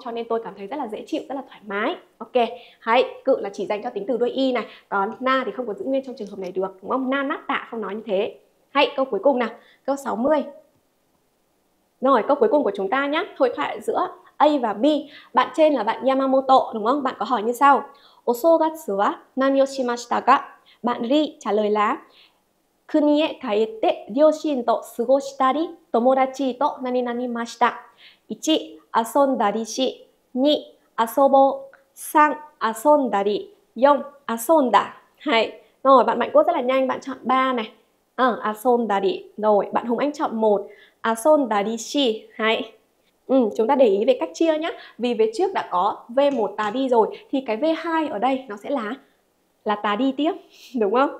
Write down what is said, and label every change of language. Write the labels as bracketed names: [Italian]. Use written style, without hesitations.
[Vietnamese] Cho nên tôi cảm thấy rất là dễ chịu, rất là thoải mái. Ok, hãy cự là chỉ dành cho tính từ đuôi y này, còn na thì không có giữ nguyên trong trường hợp này được, đúng không? Na nát tạ không nói như thế. Hãy câu cuối cùng nào, câu 60. Rồi, câu cuối cùng của chúng ta nhé, hội thoại giữa A và B. Bạn trên là bạn Yamamoto, đúng không? Bạn có hỏi như sau. [Japanese] Osogatsu wa nani o shimashita ka? [Vietnamese] Bạn Ri trả lời là [Japanese] 国へ帰って両親と過ごしたり友達と何々ました。 1遊んだりし、2遊ぼう、3遊んだり、4遊んだ。 [Vietnamese] はい、rồi bạn Mạnh Quốc rất là nhanh, bạn chọn 3 này,遊んだり. Rồi bạn Hùng Anh chọn 1, 遊んだりし. Hãy chúng ta để ý về cách chia nhé, vì về trước đã có V1 tà đi rồi, thì cái V2 ở đây nó sẽ là tà đi tiếp, đúng không?